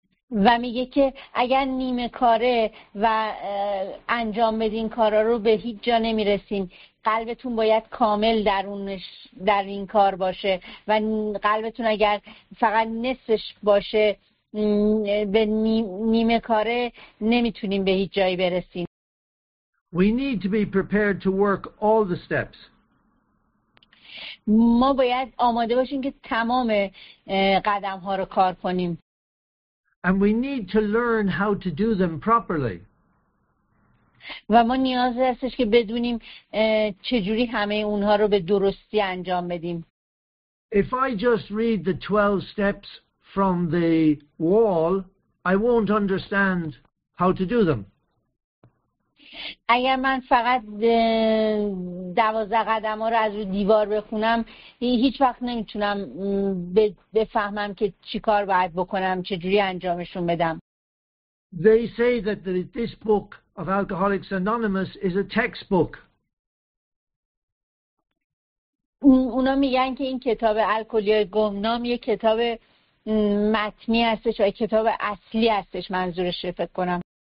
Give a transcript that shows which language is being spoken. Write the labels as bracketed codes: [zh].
[fa] و میگه که اگر نیمه کاره و انجام بدین کارا رو به هیچ جا نمیرسین. قلبتون باید کامل درونش در این کار باشه و قلبتون اگر فقط نصفش باشه به نیمه کاره نمیتونیم به هیچ جایی برسیم. [en] We need to be prepared to work all the steps. [fa] ما باید آماده باشیم که تمام قدم ها رو کار کنیم. [en] And we need to learn how to do them properly. [fa] و ما نیاز هستش که بدونیم چجوری همه اونها رو به درستی انجام بدیم. [en] If I just read the 12 steps from the wall, I won't understand how to do them. [fa] اگر من فقط 12 قدم ها رو از رو دیوار بخونم هیچ وقت نمیتونم بفهمم که چی کار باید بکنم، چجوری انجامشون بدم. [en] They say that this book of Alcoholics Anonymous is a textbook. [fa] اونا میگن که این کتاب الکلی گمنام یه کتاب متنی هستش و کتاب اصلی هستش، منظورش رو فکر کنم.